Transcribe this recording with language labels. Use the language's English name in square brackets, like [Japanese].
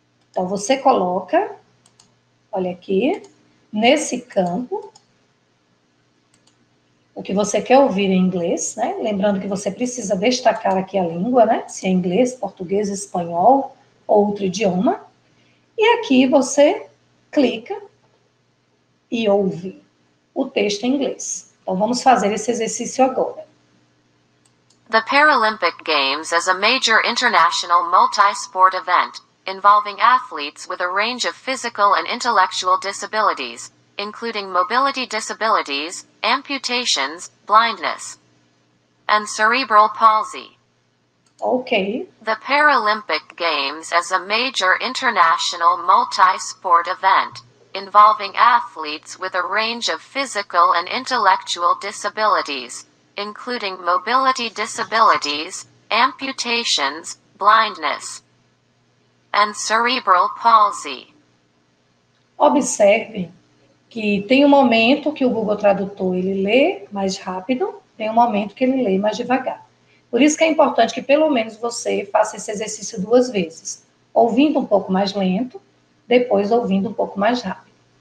[Portuguese] Então, você coloca, olha aqui, nesse campo, o que você quer ouvir em inglês, né? Lembrando que você precisa destacar aqui a língua, né? Se é inglês, português, espanhol ou outro idioma. E aqui você clica e ouve o texto em inglês. Então, vamos fazer esse exercício agora. [English] The Paralympic Games is a major international multi-sport event involving athletes with a range of physical and intellectual disabilities, including mobility disabilities, amputations, blindness, and cerebral palsy. Okay. The Paralympic Games is a major international multi-sport event involving athletes with a range of physical and intellectual disabilities, including mobility disabilities, amputations, blindness, and cerebral palsy. [Portuguese] Observe que tem um momento que o Google Tradutor ele lê mais rápido, tem um momento que ele lê mais devagar. Por isso que é importante que pelo menos você faça esse exercício duas vezes, ouvindo um pouco mais lento, depois ouvindo um pouco mais rápido.